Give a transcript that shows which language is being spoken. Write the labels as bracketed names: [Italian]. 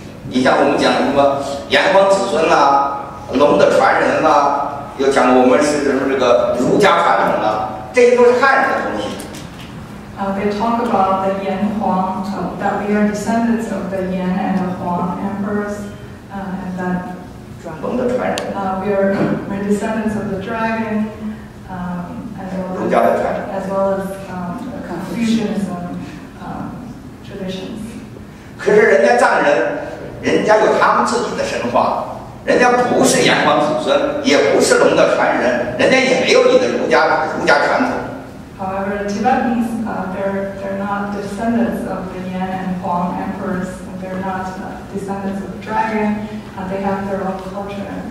[Chinese] 你像我们讲什么炎黄子孙啦、龙的传人啦、又讲我们是什么这个儒家传统啦，这些都是汉的东西。 [English] They talk about the Yan Huang, that we are descendants of the Yan and the Huang emperors, and that we're descendants of the dragon, as well as Confucianism traditions. [Chinese] 可是人家藏人，人家有他们自己的神话，人家不是炎黄子孙，也不是龙的传人，人家也没有你的儒家传统。 [English] However, Tibetans, they're not descendants of the Yan and Huang emperors. They're not descendants of the dragon. They have their own culture.